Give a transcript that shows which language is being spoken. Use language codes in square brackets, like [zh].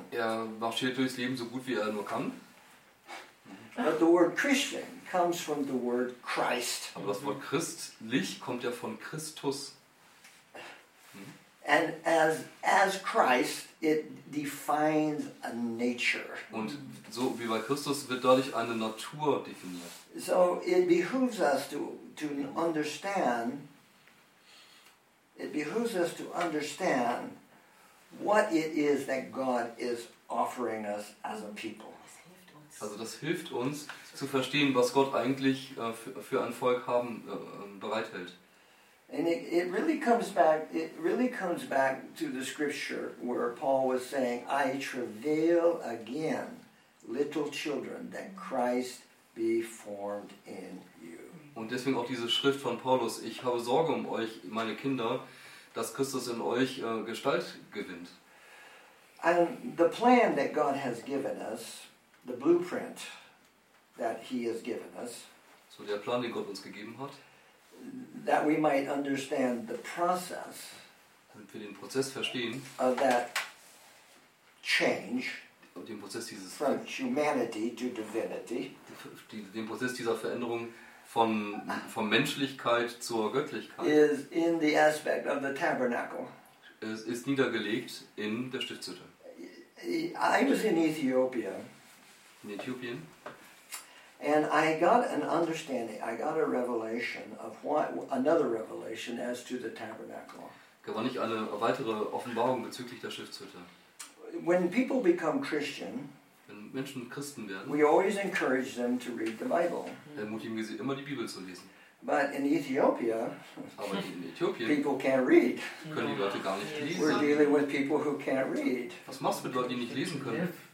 [de] Er marschiert durchs Leben so gut wie er nur kann. [en] But the word Christian comes from the word Christ. [de] Aber das Wort christlich kommt ja von Christus. [en] And as Christ, it defines a nature. [de] Und so wie bei Christus wird dadurch eine Natur definiert. [en] So it behooves us to understand. It behooves us to understand what it is that God is offering us as a people. [de] Also das hilft uns zu verstehen, was Gott eigentlich für ein Volk haben bereithält. [en] And it really comes back to the scripture where Paul was saying, I travail again, little children, that Christ be formed in you. [de] Und deswegen auch diese Schrift von Paulus, ich habe Sorge um euch, meine Kinder, dass Christus in euch Gestalt gewinnt. [en] And the plan that God has given us, the blueprint that he has given us, [de] so der Plan, den Gott uns gegeben hat, [en] that we might understand the process, [de] damit wir den Prozess verstehen, [en] of that change, [de] den Prozess dieses, [en] from humanity to divinity, [de] den Prozess dieser Veränderung von Menschlichkeit zur Göttlichkeit, [en] is in the aspect of the tabernacle. [de] Es ist niedergelegt in der Stiftshütte. [en] I was in Ethiopia. [de] In Äthiopien. [en] And I got an understanding, I got a revelation of what, another revelation as to the tabernacle. [de] Gewann ich eine weitere Offenbarung bezüglich der Stiftshütte. [en] When people become Christian, [de] wenn Menschen Christen werden, [en] we always encourage them to read the Bible. [de] Ermutigen wir sie immer, die Bibel zu lesen. [en] But in Ethiopia, [de] aber in Äthiopien, [en] people can't read. [de] Können die Leute gar nicht lesen. [en] We're dealing with people who can't read. [de] Was machst du mit Leuten, die nicht lesen können?